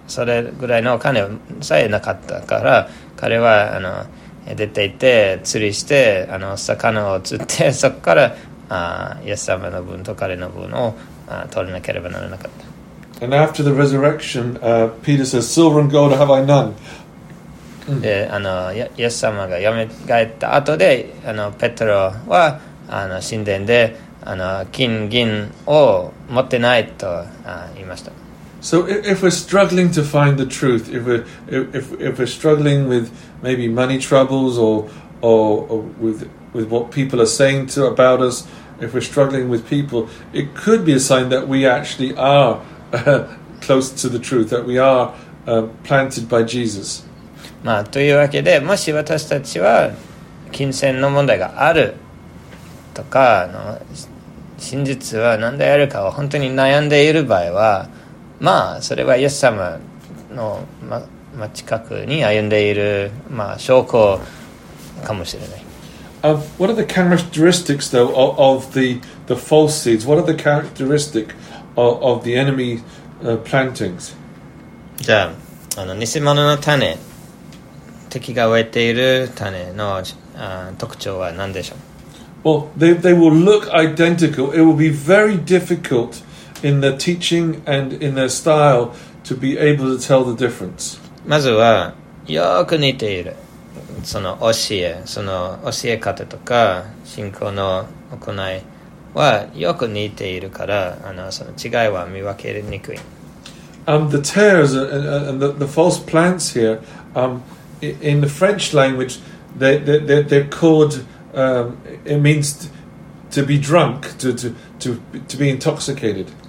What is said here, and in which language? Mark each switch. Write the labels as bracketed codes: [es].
[ja] それぐらいのお金さえなかったから、彼は出て行って釣りして魚を釣って、そこからイエス様の分と彼の分を取らなければならなかった。 [en] And after the resurrection, Peter says, silver and gold have I none. [ja] で、イエス様がよみがえった後で、ペトロは神殿で金銀を持ってないと言いました。 [en] So if we're struggling to find the truth, if we're struggling with maybe money troubles or with what people are saying about us, if we're struggling with people, it could be a sign that we actually are close to the truth, that we are planted by Jesus. [ja] というわけで、もし私たちは金銭の問題があるとか、真実は何であるかを本当に悩んでいる場合は、それはイエス様のまあ、近くに歩んでいる、まあ、証拠かもしれない。 [en] What are the characteristics, though, of the false seeds? What are the characteristics of the enemy plantings? [ja] じゃあ、あの偽物の種、敵が植えている種の特徴は何でしょう？ [en] Well, they will look identical. It will be very difficult in their teaching and in their style to be able to tell the difference. [ja] まずはよく似ている。その教え、その教え方とか信仰の行いはよく似ているから、あのその違いは見分けにくい。 [en] The tares and the false plants here, in the French language, they're called, it means to be drunk, to be intoxicated.